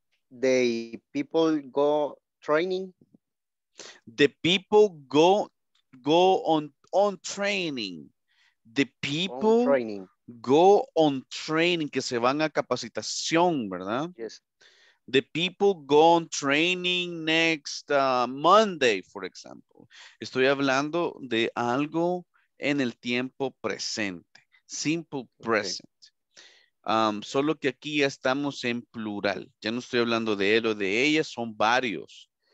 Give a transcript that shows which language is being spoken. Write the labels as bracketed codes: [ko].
[en] The people go training. The people go on training. The people training. Go on training, [es] que se van a capacitación, ¿verdad? [en] Yes. The people go on training next Monday, for example. [es] Estoy hablando de algo en el tiempo presente. [en] Simple present. Okay. [es] Solo que aquí ya estamos en plural. Ya no estoy hablando de él o de ella, son varios.